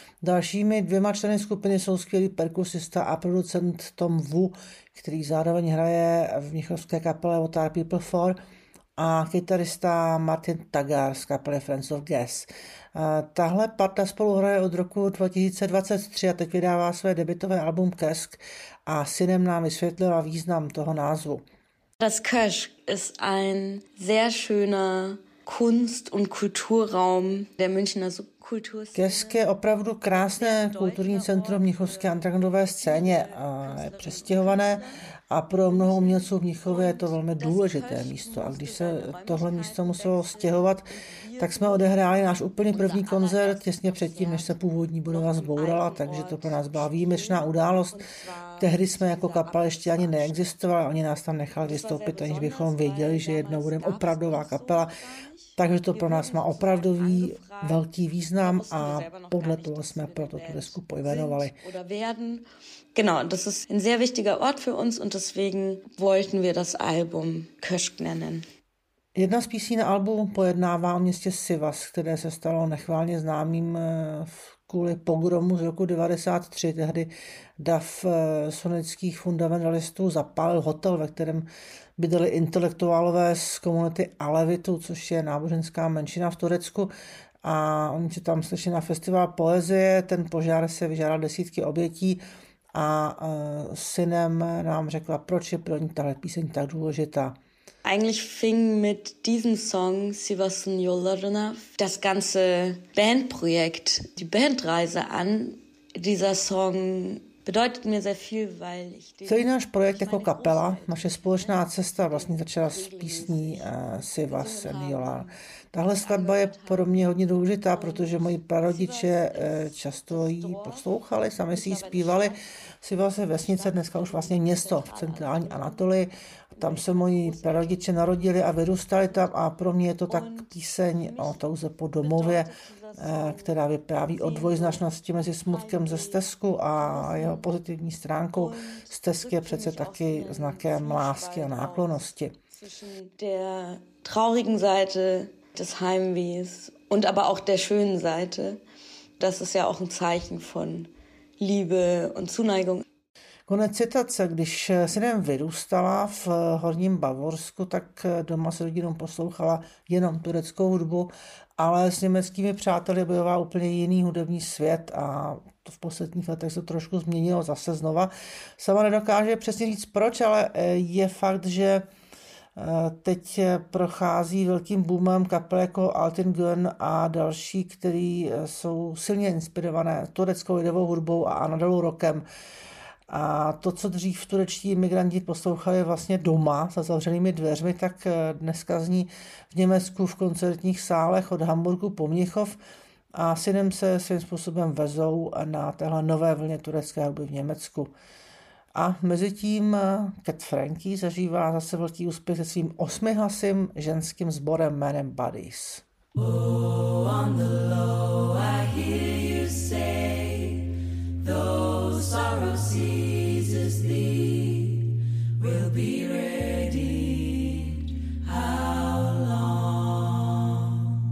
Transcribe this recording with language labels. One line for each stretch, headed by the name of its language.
Czech: Dalšími dvěma členy skupiny jsou skvělý perkusista a producent Tom Wu, který zároveň hraje v mnichovské kapele What Are People For, a kytarista Martin Tagar z kapely Friends of Gas. Tahle parta spolu hraje od roku 2023 a teď vydává své debutové album Kesk a Synem nám vysvětlila význam toho názvu.
German: Das Kösch ist ein sehr schöner Kunst- und Kulturraum der Münchner Subkulturszene.
Czech: Kesk je opravdu krásné kulturní centrum mnichovské undergroundové scéně a je přestěhované a pro mnoho umělců v Mnichově je to velmi důležité místo. A když se tohle místo muselo stěhovat, tak jsme odehráli náš úplně první koncert těsně předtím, než se původní budova zbourala, takže to pro nás byla výjimečná událost. Tehdy jsme jako kapela ještě ani neexistovali, oni nás tam nechali vystoupit, aniž bychom věděli, že jednou budeme opravdová kapela. Takže to pro nás má opravdový velký význam a podle toho jsme proto tu desku pojmenovali.
German: Genau, das ist ein sehr wichtiger Ort für uns und deswegen wollten wir das Album Kösk nennen.
Czech: Jedna z písní na albu pojednává o městě Sivas, které se stalo nechválně známým kvůli pogromu z roku 1993. Tehdy dav sunnitských fundamentalistů zapálil hotel, ve kterém bydeli intelektuálové z komunity Alevitu, což je náboženská menšina v Turecku. A oni se tam slyšeli na festival poezie, ten požár se vyžádal desítky obětí. A Synem nám řekla, proč je pro ní tahle píseň tak důležitá.
German: Eigentlich fing mit diesem Song Sivasın Yollarına das ganze Bandprojekt, die Bandreise an. Dieser Song bedeutet mir sehr viel, weil ich
Czech: den Celý náš projekt jako kapela, naše společná cesta vlastně začala s písní Sivasın Yollarına. Tahle skladba je pro mě hodně důležitá, protože moji prarodiče často ji poslouchali, sami si ji zpívali. Sivas je vesnice, dneska už vlastně město v centrální Anatolii. Tam se moji prarodiče narodili a vyrůstali tam a pro mě je to tak píseň o touze po domově, která vypráví o dvojznačnosti mezi smutkem ze stesku a jeho pozitivní stránkou. Stesk je přece taky znakem lásky a náklonosti.
German: Der traurigen Seite des Heimwehs und aber auch der schönen Seite, das ist ja auch ein Zeichen von Liebe und Zuneigung.
Czech: Konec citace, když Synem vyrůstala v Horním Bavorsku, tak doma s rodinou poslouchala jenom tureckou hudbu, ale s německými přáteli bojovala úplně jiný hudební svět a to v posledních letech se trošku změnilo zase znova. Sama nedokáže přesně říct proč, ale je fakt, že teď prochází velkým boomem kapel jako Altin Gun a další, který jsou silně inspirované tureckou lidovou hudbou a Anadolu rokem. A to, co dřív turečtí imigranti poslouchali vlastně doma za zavřenými dveřmi, tak dneska zní v Německu v koncertních sálech od Hamburgu po Mnichov a Synem se svým způsobem vezou na téhle nové vlně turecké hudby v Německu. A mezi tím Cat Frankie zažívá zase velký úspěch se svým osmihlasým ženským sborem jménem Buddies.
English: Oh, on the low I hear you say, those sorrow seizes thee, will be ready, how long?